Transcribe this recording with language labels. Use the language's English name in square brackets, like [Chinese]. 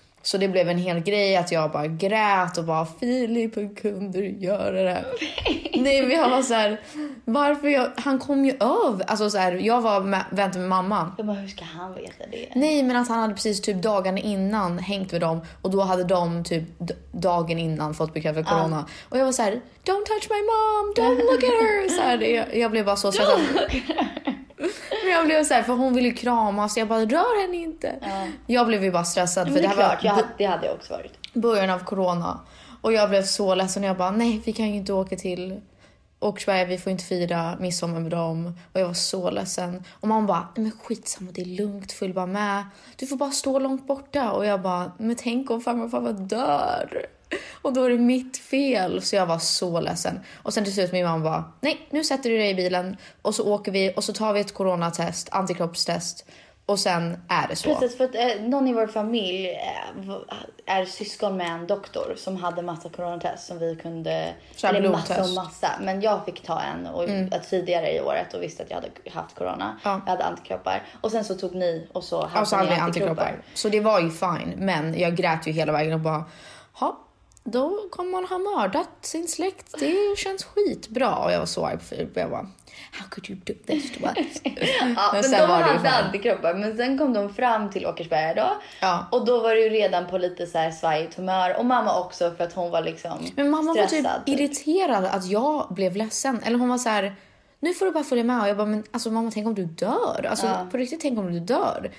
[Swedish] Så det blev en hel grej att jag bara grät och bara, Filip, hur kunde du göra det? Nej, men jag var så här, varför jag, han kom ju av. Alltså så här, jag var väntade med mamma. Jag bara, hur ska han veta det? Nej, men att han hade precis typ dagarna innan hängt med dem. Och då hade de typ dagen innan fått bekräftat för corona. Och jag var så här, [English] don't touch my mom, don't look at her. [Swedish] Så här, jag blev bara så stressad. [English] Don't look at her. [Swedish] Men jag blev såhär, för hon ville ju krama, så jag bara, rör henne inte. Ja. Jag blev ju bara stressad. För det är klart, det hade jag också varit. Början av corona. Och jag blev så ledsen, jag bara, nej, vi kan ju inte åka till Åkersberga, vi får inte fira midsommar med dem. Och jag var så ledsen. Och mamma bara, nej, men skitsamma, det är lugnt, följ bara med. Du får bara stå långt borta. Och jag bara, men tänk om farmor och farfar dör. Och då är det mitt fel. Så jag var så ledsen. Och sen till slut min mamma bara, nej, nu sätter du dig i bilen. Och så åker vi och så tar vi ett coronatest, antikroppstest. Och sen är det så. Precis, för att någon i vår familj är syskon med en doktor som hade massa coronatest som vi kunde... Så eller blodtest. massa. Men jag fick ta en och, tidigare i året och visste att jag hade haft corona. Ja. Jag hade antikroppar. Och sen så tog ni och så hade ni antikroppar. Så det var ju fine. Men jag grät ju hela vägen och bara, ha. Då kommer man ha mördat sin släkt. Det känns skitbra. Och jag var så arg på Filip. Jag bara, [English] how could you do this to us? [Swedish] Ja, men de var hade antikroppar. Men sen kom de fram till Åkersberga då. Ja. Och då var det ju redan på lite så här svajigt humör. Och mamma också, för att hon var liksom stressad. Men mamma var typ irriterad att jag blev ledsen. Eller hon var så här, nu får du bara följa med. Och jag bara, men alltså, mamma, tänk om du dör. Alltså, på riktigt, tänk om du dör.